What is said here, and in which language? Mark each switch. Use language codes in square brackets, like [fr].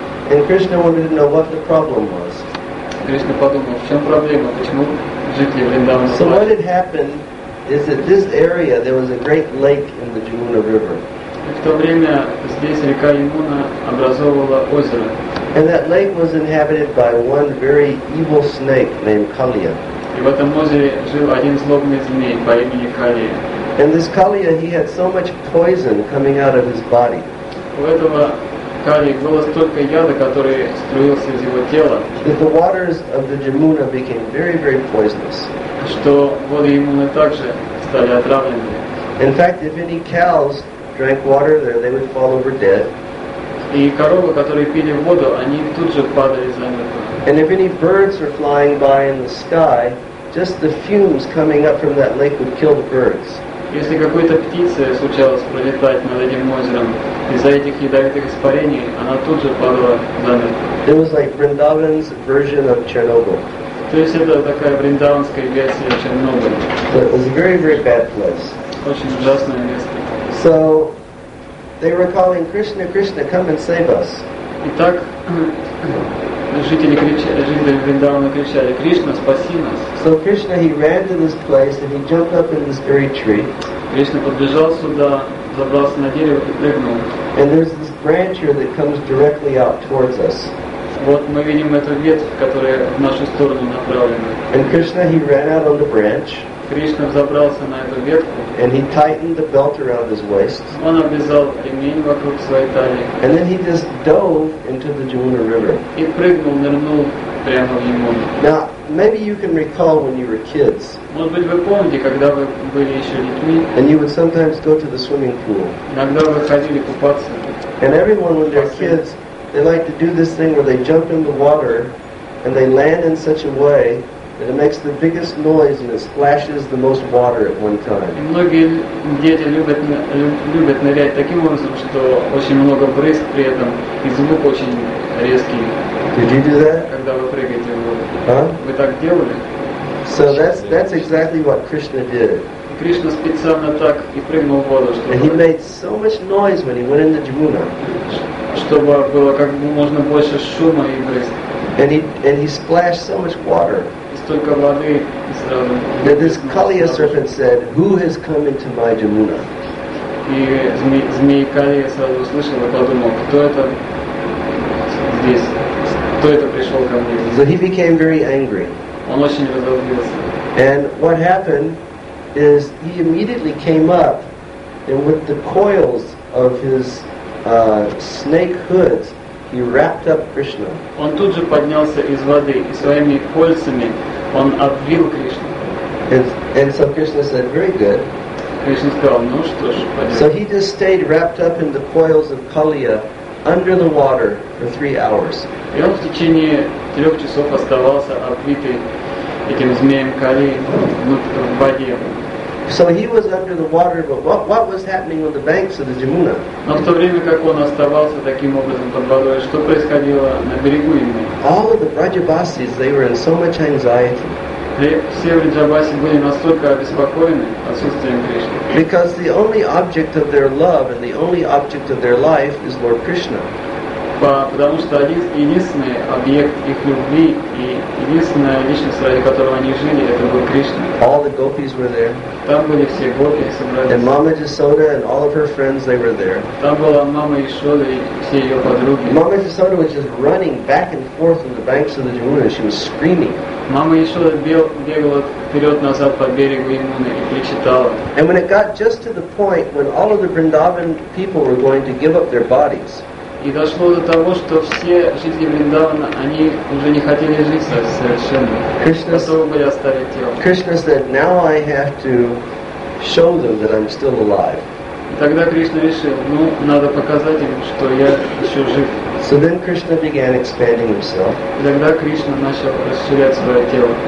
[en] And Krishna wanted to know what the problem was. [ru] Кришна подумал, в чем проблема, почему жители Вриндавана. [en] So what had happened is that this area there was a great lake in the Jamuna River. [ru] В то время здесь река Ямуна образовывала озеро. [en] And that lake was inhabited by one very evil snake named Kaliya. [ru] И в этом озере жил один злобный змей по имени Калия. [en] And this Kaliya, he had so much poison coming out of his body. [ru] У этого Калии было столько яда, который струился из его тела. [en] That the waters of the Jamuna became very, very poisonous. [ru] Что воды Ямуны также стали отравленными. [en] In fact, if any cows drank water there, they would fall over dead. [ru] И коровы, которые пили воду, они тут же падали замертво. [en] And if any birds were flying by in the sky, just the fumes coming up from that lake would kill the birds. [ru] Если какой-то птице случалось пролетать над этим озером, из-за этих ядовитых испарений она тут же падала замертво. [en] It was like Vrindavan's version of Chernobyl. [ru] То есть это такая вриндаванская версия Чернобыля. [en] So it was a very, very bad place. [ru] Очень ужасное место. [en] So they were calling Krishna, Krishna, come and save us. [ru] Итак, жители Вриндавана кричали, Кришна, спаси нас. [en] So Krishna, he ran to this place and he jumped up in this very tree. [ru] Кришна подбежал сюда, забрался на дерево и прыгнул. [en] And there's this branch here that comes directly out towards us. [ru] Вот мы видим эту ветвь, которая в нашу сторону направлена. [en] And Krishna, he ran out on the branch. [ru] Кришна взобрался на эту ветку. [en] And he tightened the belt around his waist. [ru] Он обвязал ремень вокруг своей талии. [en] And then he just dove into the Jamuna River. [ru] И прыгнул, нырнул прямо в Ямуну. [en] Now, maybe you can recall when you were kids. [ru] Может быть, вы помните, когда вы были еще детьми. [en] And you would sometimes go to the swimming pool. [ru] Иногда вы ходили купаться. [en] And everyone, when they're kids, they like to do this thing where they jump in the water and they land in such a way and it makes the biggest noise and it splashes the most water at one time. [ru] И многие дети любят нырять таким образом, что очень много брызг при этом и звук очень резкий. [en] Did you do that? [ru] Когда вы прыгаете в воду. [en] Huh? [ru] Вы так делали? [en] So that's exactly what Krishna did. [ru] Кришна специально так и прыгнул в воду, чтобы. [en] And he made so much noise when he went into Jamuna. [ru] Чтобы было как можно больше шума и брызг. [en] And he splashed so much water. [ru] Воды, [en] this Kaliya serpent said, "Who has come into my Jamuna?" [ru] И змей Калия сразу услышал и подумал, кто это здесь, кто это пришел ко мне. [en] So he became very angry. [ru] Он очень разозлился. [en] And what happened is he immediately came up and with the coils of his snake hoods he wrapped up Krishna. [ru] Он тут же поднялся из воды и своими кольцами он обвил Кришну. [en] And so Krishna said, very good. [ru] Кришна сказал, ну что ж, пойдем. [en] So he just stayed wrapped up in the coils of Kaliya under the water for 3 hours. [ru] И он в течение 3 часов оставался обвитый этим змеем Калии в воде. [en] So he was under the water, but what was happening with the banks of the Jamuna? [ru] Но в то время, как он оставался таким образом под водой, что происходило на берегу Ямуны? [en] All of the Vrajavasis, they were in so much anxiety. [ru] Все Vrajavasi были настолько обеспокоены отсутствием Кришны. [en] Because the only object of their love and the only object of their life is Lord Krishna. [ru] потому что один, единственный объект их любви и единственная личность, ради которого они жили, это был Кришна. [en] All the gopis were there. [ru] Там были все гопи, собрались. [en] And Mama Jasoda and all of her friends, they were there. [ru] Там была мама Ишода и все ее подруги. [en] Mama Jasoda was just running back and forth on the banks of the Yamuna. She was screaming. [ru] Мама Ишода бегала вперед-назад по берегу Ямуны и причитала. [en] And when it got just to the point when all of the Vrindavan people were going to give up their bodies, [ru] и дошло до того, что все жители Вриндавана, они уже не хотели жить совершенно. Готовы были оставить тело. [en] Krishna said, now I have to show them that I'm still alive. [ru] И тогда Кришна решил, ну, надо показать им, что я еще жив. [en] So then Krishna began expanding himself. [ru] И тогда Кришна начал расширять свое тело.